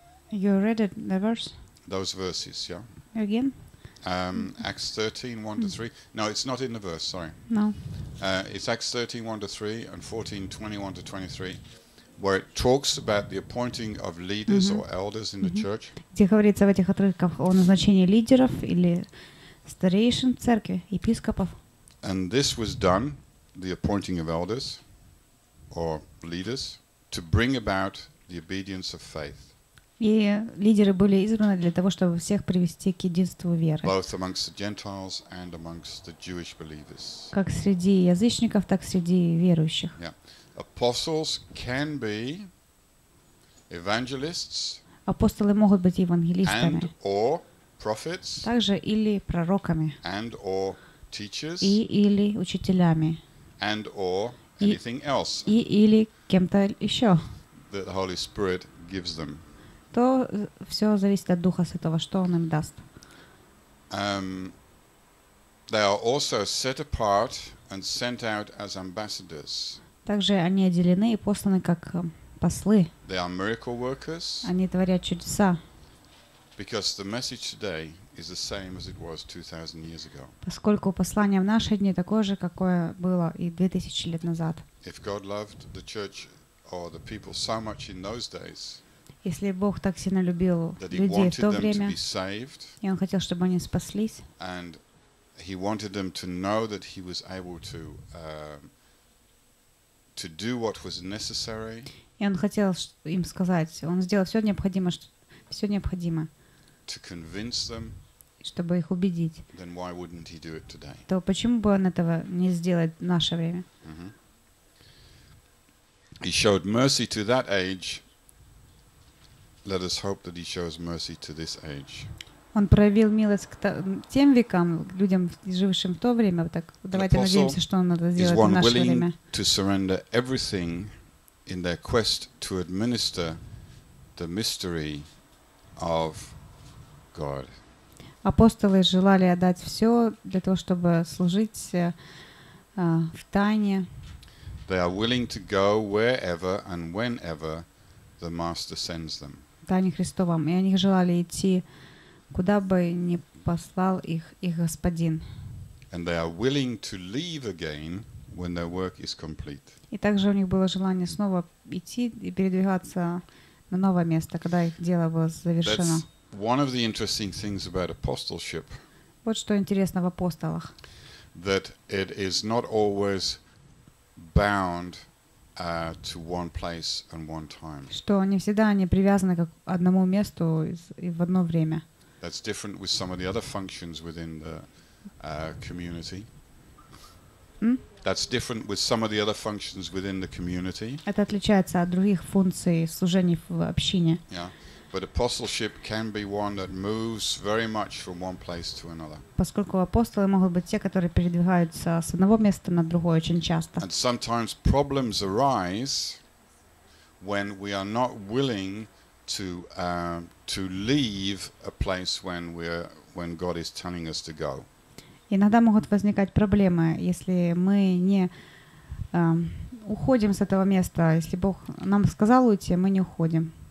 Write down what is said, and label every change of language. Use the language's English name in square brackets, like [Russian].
[English] You read it, the verse? Those verses, yeah. Again? Acts 13, 1 to 3. No, it's not in the verse, sorry. No. It's Acts 13, 1 to 3 and 14, 21 to 23, where it talks about the appointing of leaders or elders in the church. [Russian] Где говорится в этих отрывках о назначении лидеров или старейшин в церкви, епископов. [English] And this was done, the appointing of elders or leaders, to bring about the obedience of faith. [Russian] И лидеры были избраны для того, чтобы всех привести к единству веры. [English] Both amongst the Gentiles and amongst the Jewish believers. [Russian] Как среди язычников, так среди верующих. [English] Yeah. Apostles can be evangelists. [Russian] Апостолы могут быть евангелистами. [English] And or prophets. [Russian] Также или пророками. [English] And or teachers. [Russian] И или учителями. [English] And or anything else. [Russian] И или кем-то еще. [English] That the Holy Spirit gives them. [Russian] То все зависит от Духа Святого, что Он им даст. [English] They are also set apart and sent out as ambassadors. [Russian] Также они отделены и посланы как послы. [English] They are miracle workers. [Russian] Они творят чудеса. [English] Because the message today is the same as it was 2000 years ago. [Russian] Поскольку послание в наши дни такое же, какое было и 2000 лет назад. [English] If God loved the church or the people so much in those days. [Russian] Если Бог так сильно любил людей в то время, и Он хотел, чтобы они спаслись, [English] and He wanted them to know that He was able to do what was necessary. [Russian] И Он хотел им сказать, Он сделал все необходимое, [English] to convince them, [Russian] чтобы их убедить. [English] Then why wouldn't He do it today? [Russian] То почему бы Он этого не сделал в наше время? [English] He showed mercy to that age. Let us hope that He shows mercy to this age. [Russian] Он проявил милость к тем векам, людям, жившим в то время. Так, давайте надеемся, что Он это сделает в наше время. [English] Is one willing to surrender everything in their quest to administer the mystery of God. [Russian] Апостолы желали отдать все для того, чтобы служить в тайне. [English] They are willing to go wherever and whenever the Master sends them. [Russian] Тайне Христовом, и они желали идти, куда бы ни послал их их Господин. [English] And they are willing to leave again when their work is complete. [Russian] И также у них было желание снова идти и передвигаться на новое место, когда их дело было завершено. [English] That's one of the interesting things about apostleship. [Russian] Вот что интересно в апостолах. [English] That it is not always bound to one place and one time. [Russian] Что не всегда они привязаны к одному месту и в одно время. [English] That's different with some of the other functions within the community. That's different with some of the other functions within the community. [Russian] Это отличается от других функций служений в общине. [English] Yeah. But apostleship can be one that moves very much from one place to another. [Russian] Поскольку апостолы могут быть те, которые передвигаются с одного места на другое очень часто. [English] And sometimes problems arise when we are not willing to leave a place when God is telling us to go. [Russian] Иногда могут возникать проблемы, если мы не уходим с этого места, если Бог нам сказал уйти, мы не уходим.